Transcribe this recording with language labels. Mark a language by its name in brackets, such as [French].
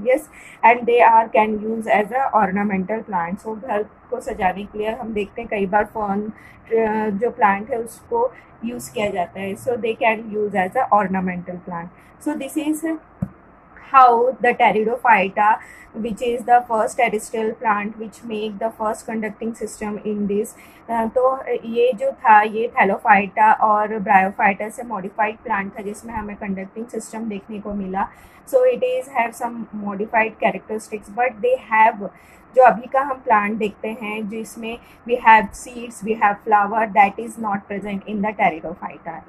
[English] Yes, and they are can use as a ornamental plant. [Hindi] So घर को सजाने के लिए हम देखते हैं कई बार फर्न जो प्लांट है उसको यूज किया जाता है. [English] So they can use as a ornamental plant. So this is how the pteridophyta, which is the first terrestrial plant which make the first conducting system in this. [Hindi] तो ये जो था ये थैलोफाइटा और ब्रायोफाइटा से मॉडिफाइड प्लांट था जिसमें हमें कंडक्टिंग सिस्टम देखने को मिला. [English] so it is have some modified characteristics, but they have [Hindi] जो अभी का हम प्लांट देखते हैं जिसमें [English] We have seeds, we have flower, that is not present in the pteridophyta.